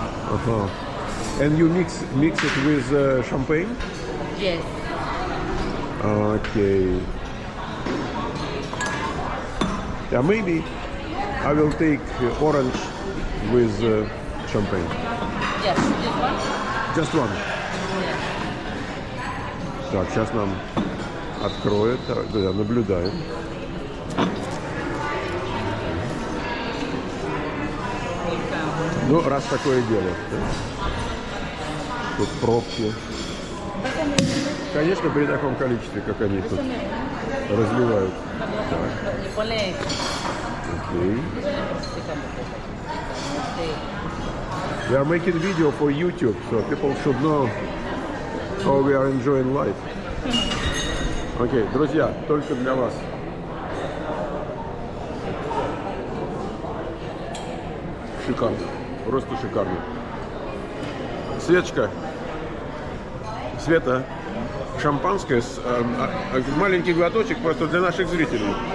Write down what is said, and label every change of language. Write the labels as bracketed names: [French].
[English] Uh-huh. And you mix it with champagne? Yes. Okay. Yeah, maybe I will take orange with champagne. Yes, just one. Just one. [Russian] Так, сейчас нам откроют, да, наблюдаем. Ну, раз такое дело. Да? Тут пробки. Конечно, при таком количестве, как они тут разливают. Окей. [English] We are making video for YouTube, so people should know how we are enjoying life. [Russian] Окей, друзья, только для вас. Шикарно. Просто шикарно. Светочка. Света. Шампанское с маленький глоточек просто для наших зрителей.